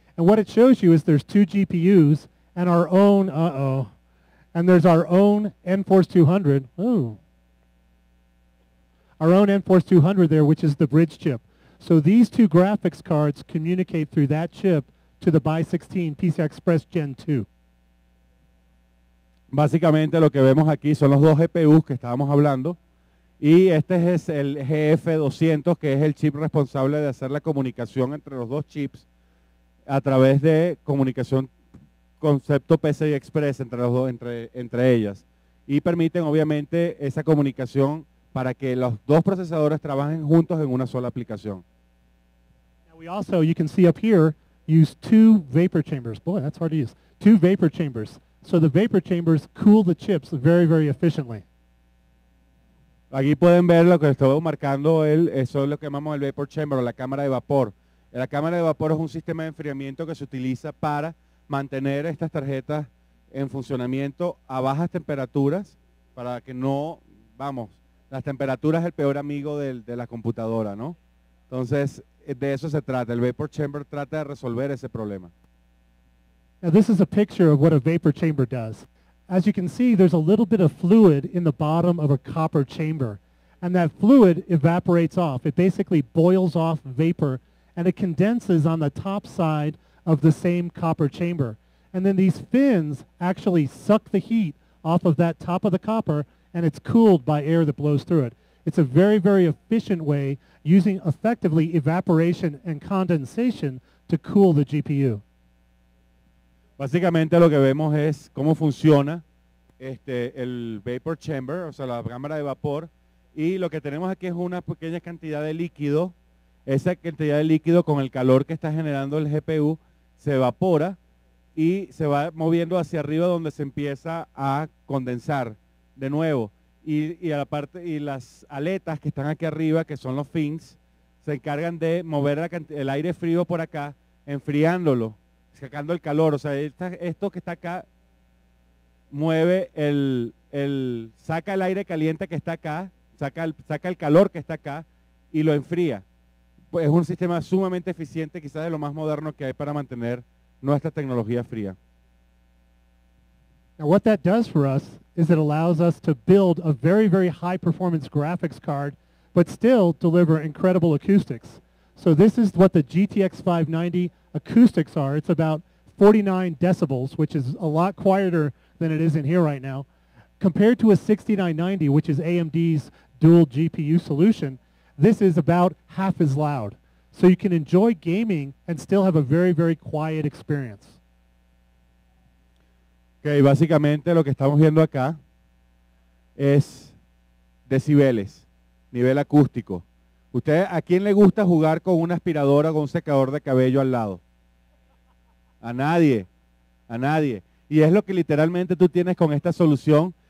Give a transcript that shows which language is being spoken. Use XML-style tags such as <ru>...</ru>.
<en>And what it shows you is there's two GPUs and our own, and there's our own Enforce 200, our own Enforce 200 there, which is the bridge chip. So these two graphics cards communicate through that chip to the BI-16 PCI Express Gen 2.</en> <es>Básicamente lo que vemos aquí son los dos GPUs que estábamos hablando. Y este es el GF200, que es el chip responsable de hacer la comunicación entre los dos chips a través de comunicación concepto PCI Express entre ellas. Y permiten, obviamente, esa comunicación para que los dos procesadores trabajen juntos en una sola aplicación.</es> <en>Now we also, you can see up here, use two vapor chambers. Boy, that's hard to use. Two vapor chambers. So the vapor chambers cool the chips very, very efficiently.</en> <es>Aquí pueden ver lo que estoy marcando, eso es lo que llamamos el vapor chamber, o la cámara de vapor. La cámara de vapor es un sistema de enfriamiento que se utiliza para mantener estas tarjetas en funcionamiento a bajas temperaturas, para que no, las temperaturas es el peor amigo de la computadora, ¿no? Entonces, de eso se trata, el vapor chamber trata de resolver ese problema.</es> <en>Now this is a picture of what a vapor chamber does. As you can see, there's a little bit of fluid in the bottom of a copper chamber, and that fluid evaporates off. It basically boils off vapor, and it condenses on the top side of the same copper chamber. And then these fins actually suck the heat off of that top of the copper, and it's cooled by air that blows through it. It's a very, very efficient way, using effectively evaporation and condensation to cool the GPU.</en> <es>Básicamente lo que vemos es cómo funciona el vapor chamber, o sea, la cámara de vapor, y lo que tenemos aquí es una pequeña cantidad de líquido. Esa cantidad de líquido con el calor que está generando el GPU se evapora y se va moviendo hacia arriba donde se empieza a condensar de nuevo. Y las aletas que están aquí arriba, que son los fins, se encargan de mover el aire frío por acá, enfriándolo, sacando el calor. O sea, esto que está acá mueve saca el aire caliente que está acá, saca el calor que está acá y lo enfría. Es un sistema sumamente eficiente, quizás de lo más moderno que hay para mantener nuestra tecnología fría.</es> <en>Now what that does for us is it allows us to build a very, very high performance graphics card, but still deliver incredible acoustics. So this is what the GTX 590 acoustics are. It's about 49 decibels, which is a lot quieter than it is in here right now, compared to a 6990, which is AMD's dual GPU solution. This is about half as loud. So you can enjoy gaming and still have a very, very quiet experience.</en> <es>Okay, básicamente lo que estamos viendo acá es decibeles, nivel acústico. ¿Usted, a quién le gusta jugar con una aspiradora o con un secador de cabello al lado? A nadie, a nadie. Y es lo que literalmente tú tienes con esta solución.</es>